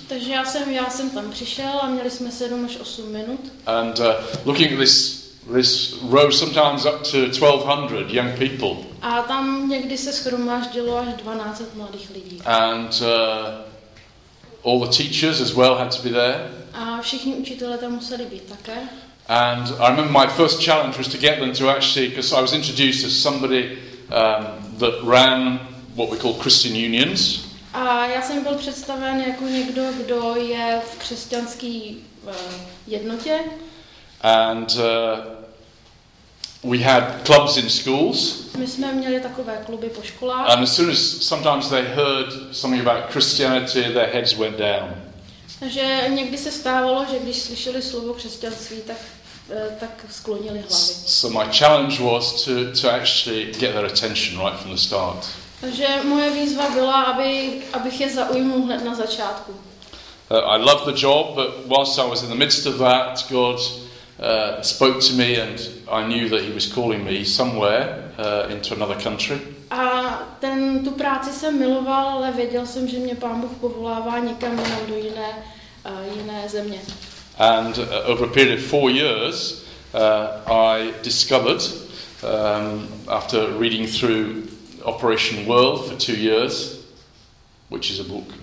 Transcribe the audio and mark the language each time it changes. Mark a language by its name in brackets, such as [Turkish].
[Czech] Takže já jsem tam přišel a měli jsme 7 až 8 minut. [English] And looking at this row sometimes up to 1200 young people. [Czech] A tam někdy se shromáždilo až 1200 mladých lidí. [English] And all the teachers as well had to be there. [Czech] A všichni učitelé tam museli být také. [English] And I remember my first challenge was to get them to actually, because I was introduced as somebody that ran what we call Christian unions. [Czech] A já jsem byl představen jako někdo, kdo je v křesťanské jednotě. [English] And we had clubs in schools. [Czech] My jsme měli takové kluby po školách. [English] And as soon as sometimes they heard something about Christianity, their heads went down. [Czech] Takže někdy se stávalo, že když slyšeli slovo křesťanství, tak sklonili hlavy. [English] So my challenge was to actually get their attention right from the start. [Czech] Takže moje výzva byla, abych je zaujmul hned na začátku. [English] I loved the job, but whilst I was in the midst of that, God spoke to me and I knew that he was calling me somewhere into another country. [Czech] A tu práci jsem miloval, ale věděl jsem, že mě Pán Bůh povolává někam jinam do jiné země. [English] And over a period of 4 years, I discovered, after reading through Operation World for 2 years, which is a book.